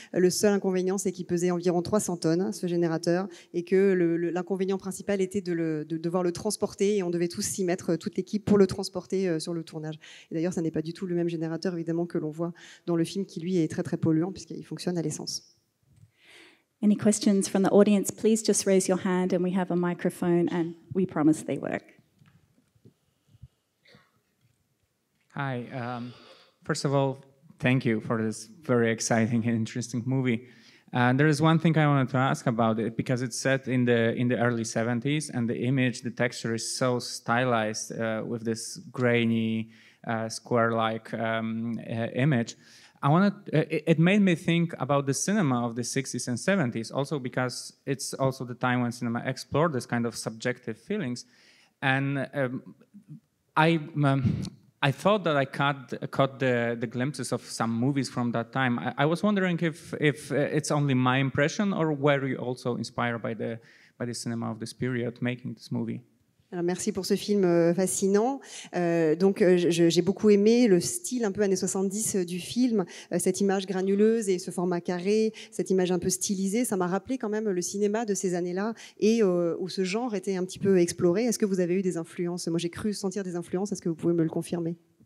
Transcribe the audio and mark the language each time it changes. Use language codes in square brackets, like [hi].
[fr] Le seul inconvénient, c'est qu'il pesait environ 300 tonnes, ce générateur, et que l'inconvénient principal était de devoir le transporter, et on devait tous s'y mettre, toute l'équipe, pour le transporter sur le tournage. Et d'ailleurs, ça n'est pas du tout le même générateur évidemment que l'on voit dans le film, qui lui est très très polluant puisqu'il fonctionne à l'essence. [en] Any questions from the audience? Please just raise your hand and we have a microphone and we promise they work. Hi. First of all, thank you for this very exciting and interesting movie. And there is one thing I wanted to ask about it, because it's set in the early 70s, and the image, the texture is so stylized with this grainy, square-like image. It made me think about the cinema of the 60s and 70s, also because it's also the time when cinema explored this kind of subjective feelings. And I thought that I caught the glimpses of some movies from that time. I was wondering if it's only my impression, or were you also inspired by the cinema of this period making this movie? [fr] Alors, merci pour ce film fascinant. J'ai beaucoup aimé le style un peu années 70 du film, cette image granuleuse et ce format carré, cette image un peu stylisée. Ça m'a rappelé quand même le cinéma de ces années-là et où ce genre était un petit peu exploré. Est-ce que vous avez eu des influences? Moi, j'ai cru sentir des influences. Est-ce que vous pouvez me le confirmer?